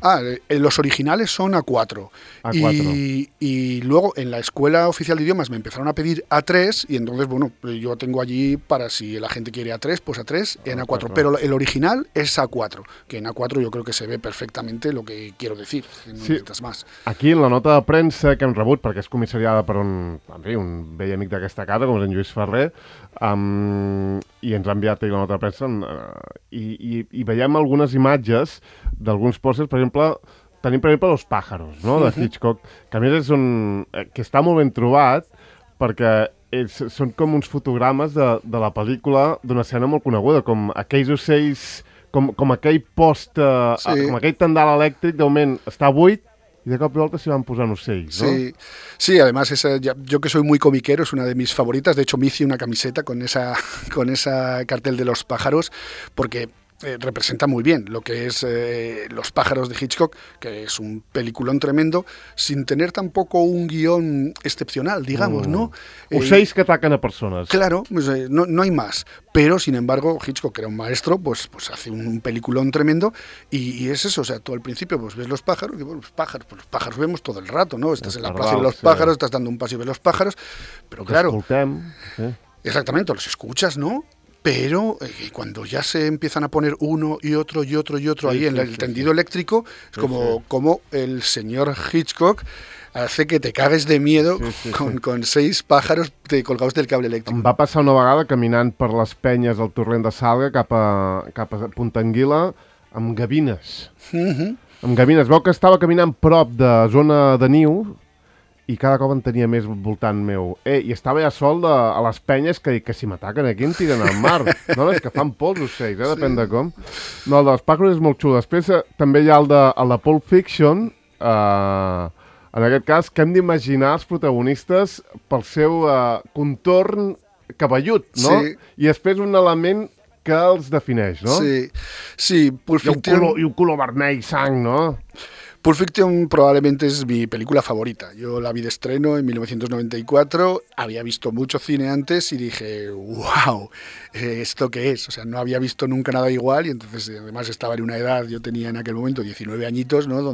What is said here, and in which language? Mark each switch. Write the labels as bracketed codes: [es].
[es] Ah, los originales son A4. Y luego en la Escuela Oficial de Idiomas me empezaron a pedir A3 y entonces, bueno, yo tengo allí para si la gente quiere A3, pues A3 en A4. Claro. Pero el original es A4, que en A4 yo creo que se ve perfectamente lo que quiero decir. No necesitas más. [ca] Aquí en la nota de premsa que hem rebut, perquè és comissariada per un vell amic d'aquesta casa, com és en Lluís Ferrer, i ens ha enviat la nota de premsa i veiem algunes imatges d'alguns pòsters, per exemple, tenim per exemple Los Pájaros, no? De Hitchcock, que a més és un... que està molt ben trobat perquè són com uns fotogrames de la pel·lícula d'una escena molt coneguda, com aquells ocells, com aquell post, sí. Com aquell tendal elèctric, de moment està buit, [es] y [ca] de cop y volta [es] se van posando seis, ¿no? Sí, sí, además esa, ya, yo que soy muy comiquero, es una de mis favoritas, de hecho me hice una camiseta con esa cartel de los pájaros, porque representa muy bien lo que es Los pájaros de Hitchcock, que es un peliculón tremendo, sin tener tampoco un guión excepcional, digamos, ¿no? O seis que atacan a personas. Claro, pues, no, no hay más. Pero, sin embargo, Hitchcock, que era un maestro, pues, pues hace un peliculón tremendo y es eso, o sea, tú al principio pues, ves los pájaros, y bueno, los pájaros vemos todo el rato, ¿no? Estás es en la plaza de los pájaros, estás dando un paso y ves los pájaros, pero claro... Exactamente, los escuchas, ¿no? Pero cuando ya se empiezan a poner uno y otro y otro y otro sí, ahí sí, en el tendido sí, eléctrico, es como, sí, como el señor Hitchcock hace que te cagues de miedo con seis pájaros te colgados del cable eléctrico. [ca] Em va passar una vegada caminant per les penyes del torrent de Salga cap a Punta Anguila amb gavines. Amb gavines. Veu que estava caminant prop de zona de niu i cada cop en tenia més voltant meu. I estava ja sol de, a les penyes que si m'ataquen aquí em tiren al mar. No, és que fan por els ocells, eh? Depèn sí, de com. No, el de les pàgines és molt xulo. Després també hi ha el de la Pulp Fiction, en aquest cas, que hem d'imaginar els protagonistes pel seu contorn cabellut, no? Sí. I després un element que els defineix, no? Sí, sí, Pulp Fiction... I un color vermell, sang, no? [es] Pulp Fiction probablemente es mi película favorita. Yo la vi de estreno en 1994, había visto mucho cine antes y dije, wow, ¿esto qué es? O sea, no había visto nunca nada igual y entonces además estaba en una edad, yo tenía en aquel momento 19 añitos, ¿no?